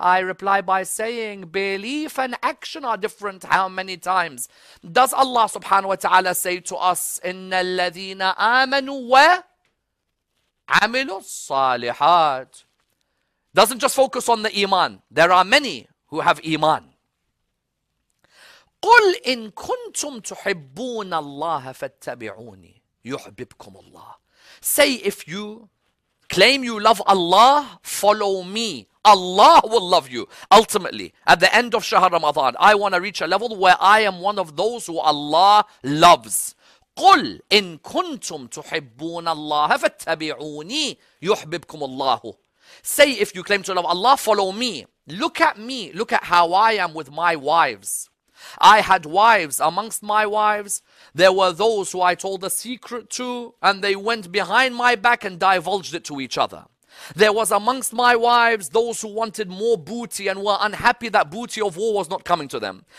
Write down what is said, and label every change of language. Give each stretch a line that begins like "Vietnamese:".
English: I reply by saying belief and action are different. How many times does Allah subhanahu wa ta'ala say to us,
Arabic: إِنَّ الَّذِينَ آمَنُوا وَعَمِلُوا الصَّالِحَاتِ
English: Doesn't just focus on the iman. There are many who have iman.
Arabic: قل إن كنتم تحبون الله فاتبعوني يحببكم الله.
English: Say if you claim you love Allah, follow me. Allah will love you. Ultimately, at the end of Shahar Ramadan, I want to reach a level where I am one of those who Allah loves.
Arabic: قل إن كنتم تحبون الله فاتبعوني يحببكم الله.
English: Say if you claim to love Allah, follow me. Look at me. Look at how I am with my wives. I had wives amongst my wives. There were those who I told a secret to, and they went behind my back and divulged it to each other. There was amongst my wives those who wanted more booty and were unhappy that booty of war was not coming to them.